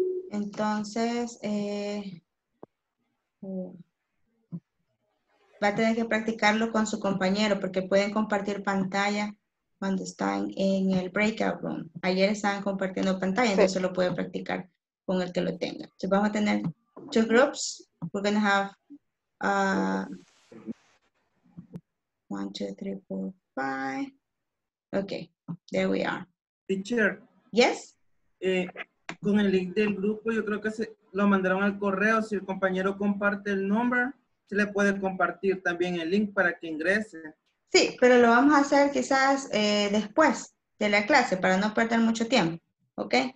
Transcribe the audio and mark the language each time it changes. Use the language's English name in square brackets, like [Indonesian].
[Spanish] Entonces, va a tener que practicarlo con su compañero porque pueden compartir pantalla cuando están en el breakout room. Ayer estaban compartiendo pantalla, sí. Entonces lo puede practicar con el que lo tenga. Entonces vamos a tener [English] 2 groups. We're going to have 1, 2, 3, 4, 5. Okay, there we are. Teacher. Yes? [Spanish] con el link del grupo, yo creo que se lo mandaron al correo. Si el compañero comparte el number, se le puede compartir también el link para que ingrese. Sí, pero lo vamos a hacer quizás después de la clase, para no perder mucho tiempo, ¿ok?